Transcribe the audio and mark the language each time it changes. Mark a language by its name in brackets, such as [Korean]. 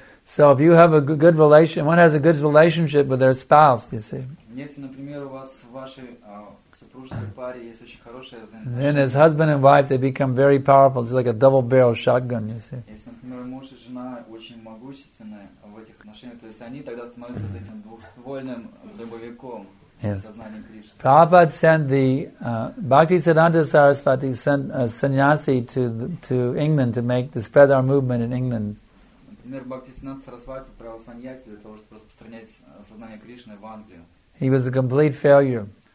[English] So if you have a good relation, one has a good relationship with their spouse, you see. [Russian] Если, например, у вас в вашей супружеской паре есть очень хорошая взаимодействие. [English] Then as husband and wife, they become very powerful, just like a double-barrel shotgun, you see. [Russian] Если, например, муж и жена очень могущественные в этих отношениях, то есть они тогда становятся этим двухствольным дробовиком. [English] Yes. Prabhupada sent the Bhakti Siddhanta Sarasvati sent a sannyasi to England to make the spread our movement in England. He was a complete failure.